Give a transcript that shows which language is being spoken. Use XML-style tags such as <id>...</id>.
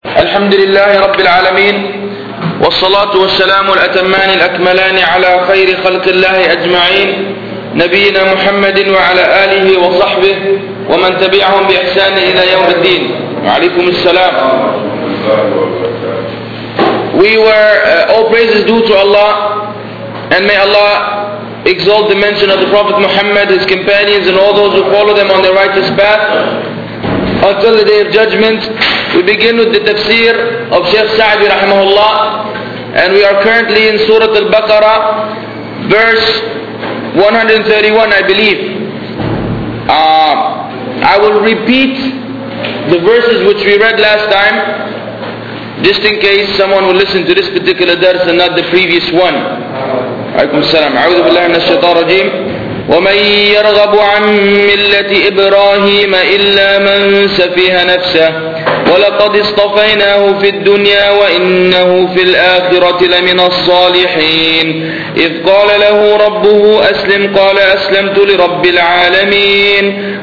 <ar>الحمد لله رب العالمين، والصلاة والسلام الأتمان الأكملان على خير خلق الله أجمعين، نبينا محمد وعلى آله وصحبه ومن تبعهم بإحسان إلى يوم الدين. وعليكم السلام.</ar> <en>We were all praises due to Allah, and may Allah exalt the mention of the Prophet Muhammad, his companions, and all those who follow them on their righteous path until the day of judgment. We begin with the tafsir of Shaykh Sa'di rahimahullah, and we are currently in Surah Al-Baqarah, verse 131, I believe. I will repeat the verses which we read last time, just in case someone will listen to this particular dars and not the previous one.</en> <ar>عليكم السلام. أعوذ بالله من الشيطان الرجيم. ومن يرغب عن ملة إبراهيم إلا من سفه نفسه ولقد اصطفيناه في الدنيا وإنه في الآخرة لمن الصالحين. إذ قال له ربه أسلم قال أسلمت لرب العالمين.</ar>